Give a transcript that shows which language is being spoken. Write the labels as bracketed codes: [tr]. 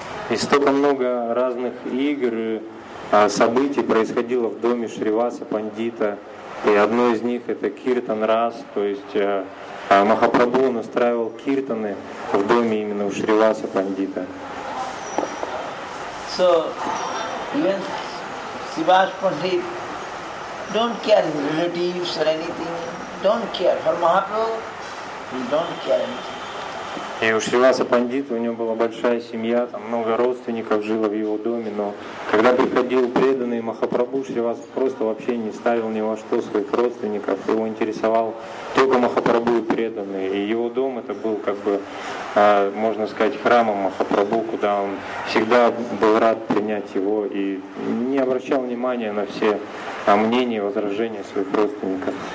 [ru] И столько много разных игр, событий происходило в доме Шриваса Пандита, и одно из них — это киртан рас, то есть Махапрабху настраивал киртаны в доме именно у Шриваса Пандита. [en] So even Sivas Pandit don't care his relatives or anything, don't care for Mahaprabhu, he don't care anything. [ru] И у Шриваса Пандита, у него была большая семья, там много родственников жило в его доме, но когда приходил преданный Махапрабху, Шривас просто вообще не ставил ни во что своих родственников, его интересовал только Махапрабху и преданные. И его дом это был как бы, можно сказать, храмом Махапрабху, куда он всегда был рад принять его и не обращал внимания на все мнения и возражения своих родственников.